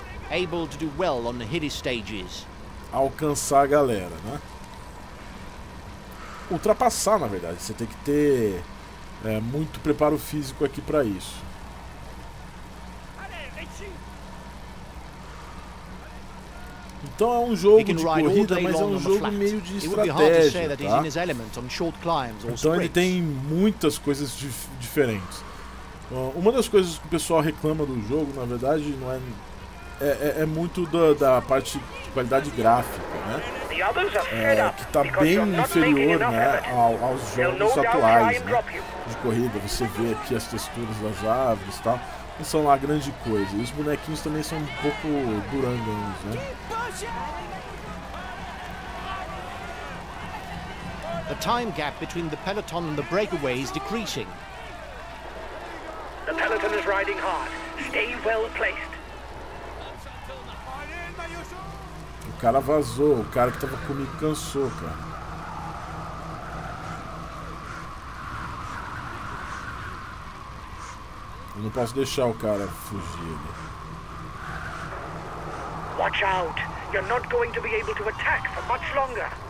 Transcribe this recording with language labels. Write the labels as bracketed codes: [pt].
[en] able to do well on the hilly stages. [pt] Alcançar a galera, né? Ultrapassar, na verdade. Você tem que ter muito preparo físico aqui para isso. Então é um jogo de corrida, mas é um jogo meio de estratégia, tá? Então ele tem muitas coisas diferentes. Uma das coisas que o pessoal reclama do jogo, na verdade, não é... É muito da parte de qualidade gráfica, né? Que tá bem inferior, né, aos jogos atuais, né, de corrida. Você vê aqui as texturas das árvores e tal. Não são lá grande coisa. E os bonequinhos também são um pouco durangos, né? [en] The time gap between the peloton and the breakaway is decreasing. The peloton is riding hard. Stay well placed. [pt] O cara vazou, o cara que tava comigo cansou, cara. Eu não posso deixar o cara fugir. [en] Watch out! You're not going to be able to attack for much longer.